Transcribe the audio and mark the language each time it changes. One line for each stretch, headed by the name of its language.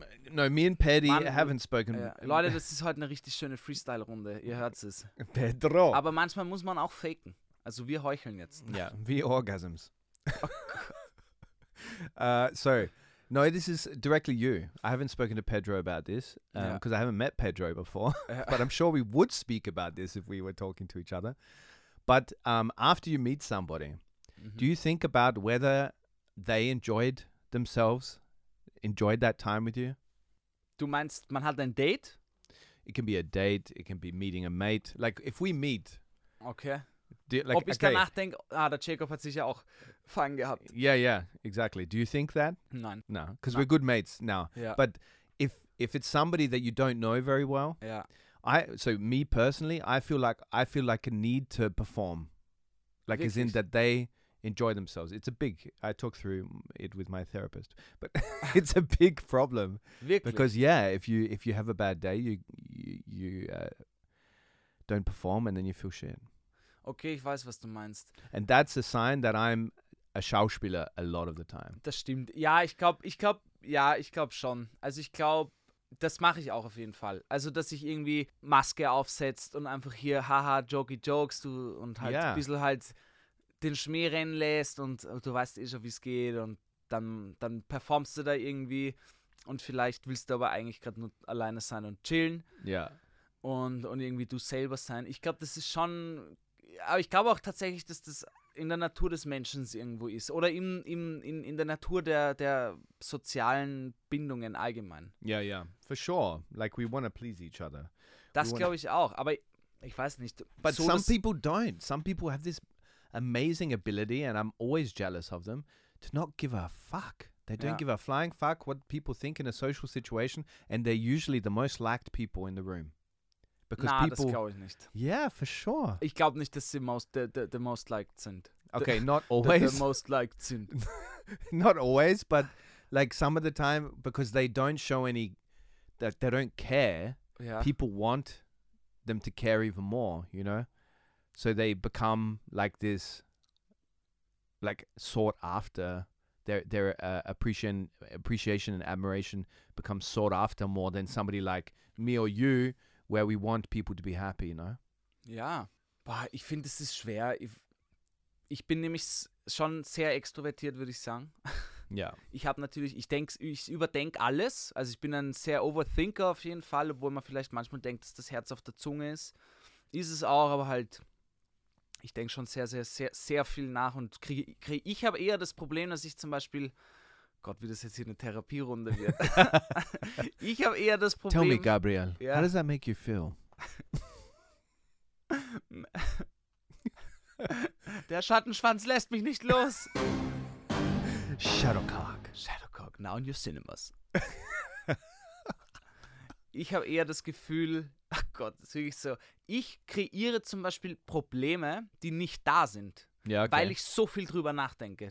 English: Me and Paddy haven't spoken.
German: Leute, das ist heute eine richtig schöne Freestyle-Runde. Ihr hört es. Pedro. Aber manchmal muss man auch faken. Also wir heucheln jetzt.
English: Yeah, wie Orgasms. This is directly you. I haven't spoken to Pedro about this because I haven't met Pedro before. But I'm sure we would speak about this if we were talking to each other. But after you meet somebody, do you think about whether they enjoyed themselves, enjoyed that time with you?
German: Du meinst, man hat ein Date?
English: It can be a date, it can be meeting a mate. Like, if we meet.
German: Okay. Ob ich okay. danach denke, ah, der Jacob hat sich ja auch Fun gehabt.
English: Yeah, yeah, exactly. Do you think that?
German: Nein.
English: No, because we're good mates now. Yeah. But if it's somebody that you don't know very well, yeah. I feel like a need to perform. Like, wirklich? As in that they enjoy themselves. I talk through it with my therapist, but it's a big problem.
German: Wirklich?
English: Because yeah, if you have a bad day, you don't perform and then you feel shit.
German: Okay, ich weiß, was du meinst.
English: And that's a sign that I'm a Schauspieler a lot of the time.
German: Das stimmt. Ja, ich glaube schon. Also ich glaube, das mache ich auch auf jeden Fall. Also, dass ich irgendwie Maske aufsetzt und einfach hier haha, jokey jokes du und halt ein bisschen halt den Schmäh rennen lässt und du weißt eh schon, wie es geht und dann performst du da irgendwie und vielleicht willst du aber eigentlich gerade nur alleine sein und chillen. Ja. Und irgendwie du selber sein. Ich glaube, das ist schon... Aber ich glaube auch tatsächlich, dass das in der Natur des Menschen irgendwo ist. Oder in der Natur der sozialen Bindungen allgemein.
English: Ja, yeah, ja, yeah. For sure. Like, we want to please each other.
German: Das glaube ich auch, aber ich weiß nicht.
English: But so some people don't. Some people have this amazing ability, and I'm always jealous of them, to not give a fuck. They don't give a flying fuck what people think in a social situation, and they're usually the most liked people in the room.
German: Because nah, people, das glaube ich nicht.
English: Yeah, for sure.
German: Ich glaube nicht, dass sie the most liked sind.
English: Okay, not always. The most liked sind. Not always, but like some of the time, because they don't show any, that they don't care, people want them to care even more, you know? So they become like this, like sought after, their appreciation and admiration becomes sought after more than somebody like me or you, where we want people to be happy, you know?
German: Ja, boah, ich finde, es ist schwer. Ich bin nämlich schon sehr extrovertiert, würde ich sagen. Ja. Yeah. Ich überdenke alles. Also ich bin ein sehr Overthinker auf jeden Fall, obwohl man vielleicht manchmal denkt, dass das Herz auf der Zunge ist. Ist es auch, aber halt, ich denke schon sehr, sehr, sehr, sehr viel nach und kriege. Ich habe eher das Problem, dass ich zum Beispiel, Gott, wie das jetzt hier eine Therapierunde wird. Ich habe eher das Problem.
English: Tell me, Gabriel, how does that make you feel?
German: Der Schattenschwanz lässt mich nicht los.
English: Shadowcock. Shadowcock, now in your cinemas.
German: Ich habe eher das Gefühl, ach Gott, das ist wirklich so. Ich kreiere zum Beispiel Probleme, die nicht da sind, weil ich so viel drüber nachdenke.